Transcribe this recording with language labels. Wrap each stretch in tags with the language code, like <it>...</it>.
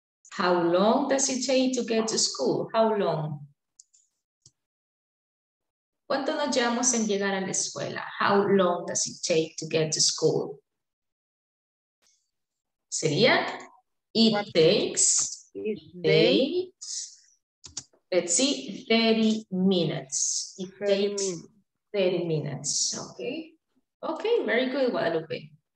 <en>How long does it take to get to school? How long?</en> <es>¿Cuánto nos llevamos en llegar a la escuela?</es> <en>How long does it take to get to school?</en> <es>Sería,</es> <en>it takes, let's see, 30 minutes. It takes 30 minutes. Okay. Okay, very good, Guadalupe.</en>